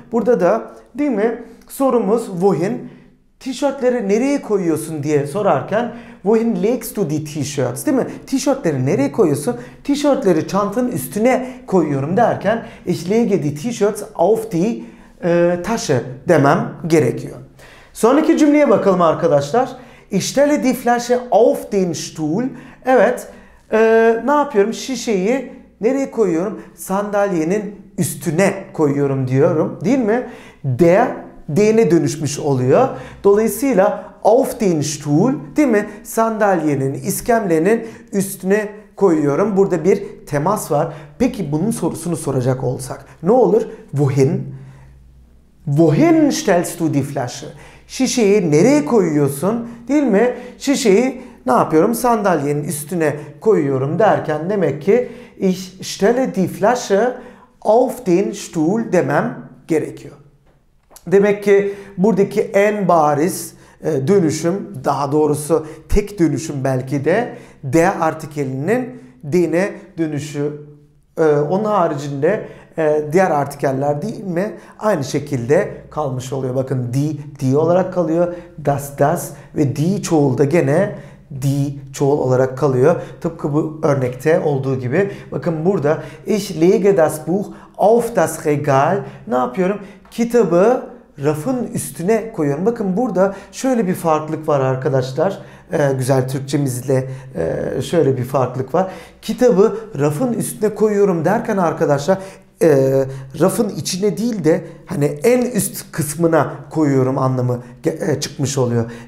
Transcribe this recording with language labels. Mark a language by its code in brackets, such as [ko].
[tr] Burada da değil mi sorumuz wohin? T-shirtleri nereye koyuyorsun diye sorarken [de] wohin legst du die T-shirts [tr] değil mi? T-shirtleri nereye koyuyorsun? T-shirtleri çantanın üstüne koyuyorum derken [de] ich lege die T-shirts auf die Tasche [tr] demem gerekiyor. Sonraki cümleye bakalım arkadaşlar. [de] Ich stelle die Flasche auf den Stuhl. [tr] Evet, ne yapıyorum? Şişeyi nereye koyuyorum? Sandalyenin üstüne koyuyorum diyorum. Değil mi? D'ne dönüşmüş oluyor. Dolayısıyla [de] auf den Stuhl, [tr] değil mi? Sandalyenin, iskemlenin üstüne koyuyorum. Burada bir temas var. Peki bunun sorusunu soracak olsak. Ne olur? Wohin? [de] Wohin stellst du die Flasche? [tr] Şişeyi nereye koyuyorsun? Değil mi? Şişeyi ne yapıyorum? Sandalyenin üstüne koyuyorum derken demek ki [de] ich stelle die Flasche auf den Stuhl [tr] demem gerekiyor. Demek ki buradaki en bariz dönüşüm, daha doğrusu tek dönüşüm belki de der artikelinin den'e dönüşü. Onun haricinde diğer artikeller değil mi? Aynı şekilde kalmış oluyor. Bakın die, die olarak kalıyor. Das, das ve die çoğulda gene die çoğul olarak kalıyor. Tıpkı bu örnekte olduğu gibi. Bakın burada [de] ich lege das Buch auf das Regal. [tr] Ne yapıyorum? Kitabı rafın üstüne koyuyorum. Bakın burada şöyle bir farklılık var arkadaşlar. Güzel Türkçemizle şöyle bir farklılık var. Kitabı rafın üstüne koyuyorum derken arkadaşlar rafın içine değil de hani en üst kısmına koyuyorum anlamı çıkmış oluyor.